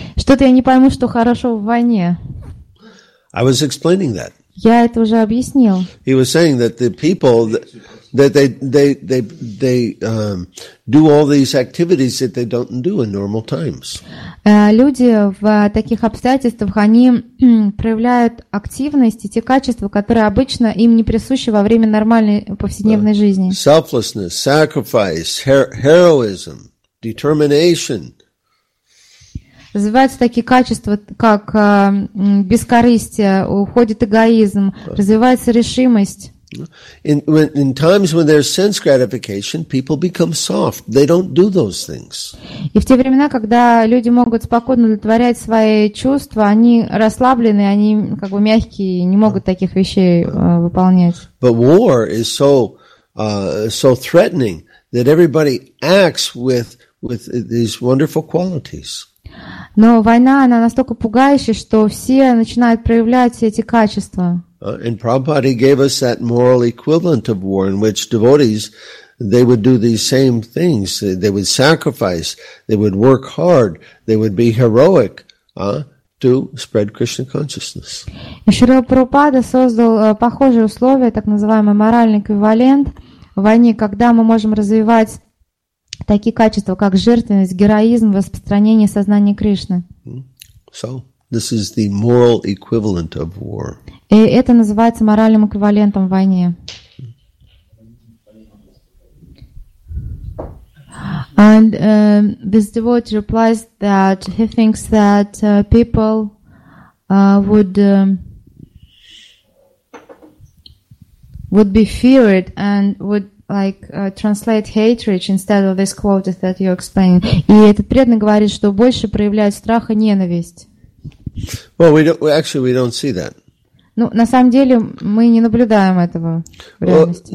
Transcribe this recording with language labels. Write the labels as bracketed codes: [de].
[ru] Что-то я не пойму, что хорошо в войне. [en] I was explaining that. [ru] Я это уже объяснил. [en] He was saying that the people that they do all these activities that they don't do in normal times. [ru] Люди в таких обстоятельствах они проявляют активность и те качества, которые обычно им не присущи во время нормальной повседневной жизни. [en] Selflessness, sacrifice, heroism, determination. [ru] Развиваются такие качества, как бескорыстие, уходит эгоизм, развивается решимость. [en] In times when there's sense gratification, people become soft. They don't do those things. [ru] И в те времена, когда люди могут спокойно удовлетворять свои чувства, они расслаблены, они как бы мягкие, не могут таких вещей выполнять. [en] But war is so so threatening that everybody acts with these wonderful qualities. [ru] Но война, она настолько пугающая, что все начинают проявлять эти качества. [en] And Prabhupada gave us that moral equivalent of war, in which devotees, they would do these same things. They would sacrifice, they would work hard, they would be heroic, to spread Krishna consciousness. [ru] И Шрила Прабхупада создал похожие условия, так называемый моральный эквивалент в войне, когда мы можем развивать такие качества, как жертвенность, героизм, распространение сознания Кришны. [en] So, this is the moral equivalent of war. [ru] И это называется моральным эквивалентом в войне. [en] And this devotee replies that he thinks that people would be feared and would Translate hatred instead of this quote that you're explaining. [ru] И этот преданный говорит, что больше проявляет страх и ненависть. [en] Well, we don't see that. [ru] Ну, на самом деле, мы не наблюдаем этого в реальности.